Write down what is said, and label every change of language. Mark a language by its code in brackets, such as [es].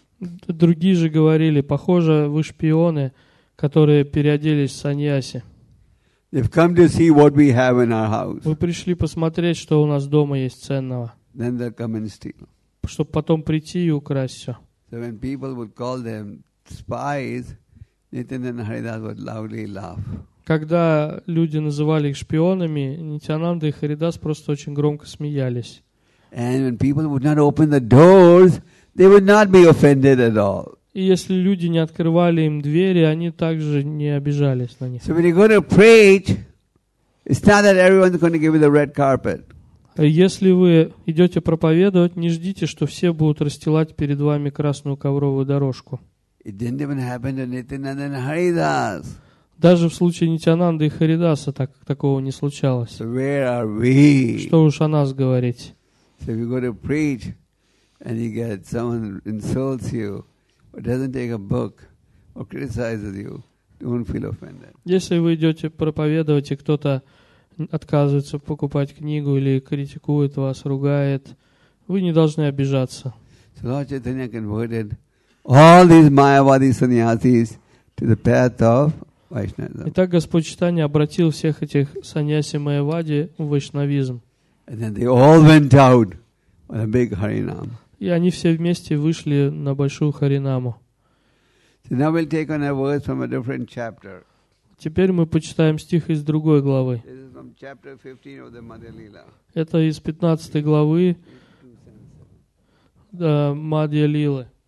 [ru] Другие же говорили, похоже, вы шпионы, которые переоделись в саньяси. [en] They've come to see what we have in our house. [ru] Вы пришли посмотреть, что у нас дома есть ценного. [en] Then they'll come and steal. [ru] Чтобы потом прийти и украсть все. [en] So when people would call them spies, Nityananda Haridas would loudly laugh. [ru] Когда люди называли их шпионами, Нитянанда и Харидас просто очень громко смеялись. [en] And when people would not open the doors, they would not be offended at all. [ru] И если люди не открывали им двери, они также не обижались на них. [en] So when you go to preach, it's not that everyone's going to give you the red carpet. [ru] Если вы идете проповедовать, не ждите, что все будут расстилать перед вами красную ковровую дорожку. [en] It didn't even happen to Nityananda and Haridas. [ru] Даже в случае Нитянанды и Харидаса так, такого не случалось. [en] So where are we? [ru] Что уж о нас говорить? [en] So if you go to preach and you get someone insults you or doesn't take a book or criticizes you, don't feel offended. [ru] Если вы идете проповедовать и кто-то отказывается покупать книгу или критикует вас, ругает, вы не должны обижаться. [en] So Lord Chaitanya converted all these Mayavadi sannyasis to the path of Vaishnavism. [ru] Итак, Господь Читания обратил всех этих саньяси Майавади в вайшнавизм. [en] And then they all went out on a big Harinam. [ru] И они все вместе вышли на большую Харинаму. [en] So now we'll take on a verse from a different chapter. [ru] Теперь мы почитаем стих из другой главы. [en] This is from chapter 15 of the Madhyalila. [ru] Это из 15 главы Мадхьялилы.